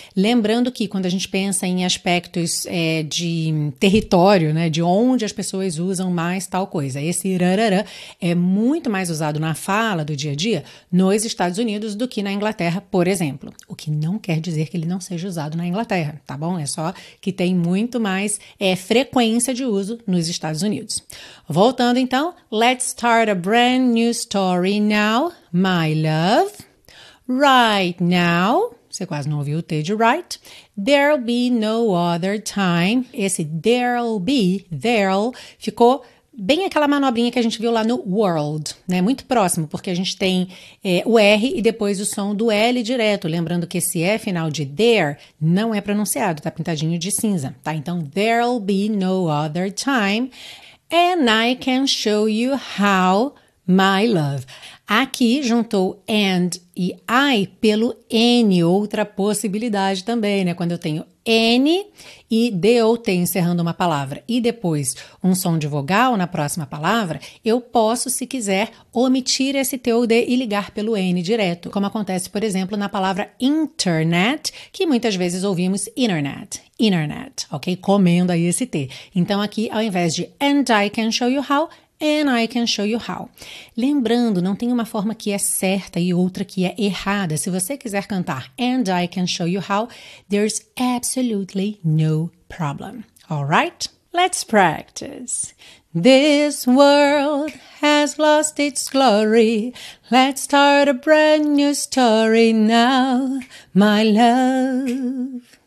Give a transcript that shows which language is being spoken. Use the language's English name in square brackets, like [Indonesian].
[Portuguese] Lembrando que quando a gente pensa em aspectos de território, né, de onde as pessoas usam mais tal coisa, esse rarara é muito mais usado na fala do dia a dia nos Estados Unidos do que na Inglaterra, por exemplo. O que não quer dizer que ele não seja usado na Inglaterra, tá bom? É só que tem muito mais frequência de uso nos Estados Unidos. Voltando então, [English] let's start a brand new story now. My love, right now, [Portuguese] você quase não ouviu o T de right, [English] there'll be no other time, [Portuguese] esse there'll, ficou bem aquela manobrinha que a gente viu lá no world, né, muito próximo, porque a gente tem o R e depois o som do L direto, lembrando que esse E final de there não é pronunciado, tá pintadinho de cinza, tá, então there'll be no other time, [English] and I can show you how my love. [Portuguese] Aqui juntou and e I pelo N, outra possibilidade também, né? Quando eu tenho N e D ou T encerrando uma palavra e depois um som de vogal na próxima palavra, eu posso, se quiser, omitir esse T ou D e ligar pelo N direto, como acontece, por exemplo, na palavra internet, que muitas vezes ouvimos internet, internet, ok? Comendo aí esse T. Então aqui, ao invés de [English] and I can show you how, [Portuguese] and I can show you how. Lembrando, não tem uma forma que é certa e outra que é errada. Se você quiser cantar [English] and I can show you how, there's absolutely no problem. All right? Let's practice. This world has lost its glory. Let's start a brand new story now, my love.